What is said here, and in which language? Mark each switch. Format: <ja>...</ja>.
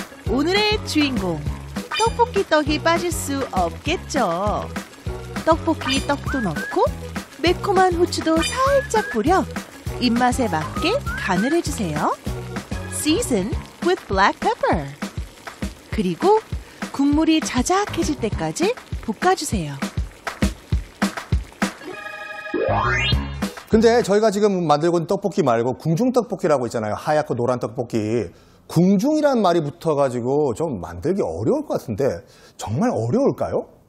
<ko>오늘의 주인공, 떡볶이 떡이 빠질 수 없겠죠. 떡볶이 떡도 넣고 매콤한 후추도 살짝 뿌려 입맛에 맞게 간을 해주세요.</ko> <en>Season with black pepper.</en> <ko>그리고 국물이 자작해질 때까지 볶아주세요. 근데 저희가 지금 만들고 있는 떡볶이 말고 궁중떡볶이라고 있잖아요. 하얗고 노란 떡볶이. 궁중이란 말이 붙어가지고 좀 만들기 어려울 것 같은데 정말 어려울까요?</ko>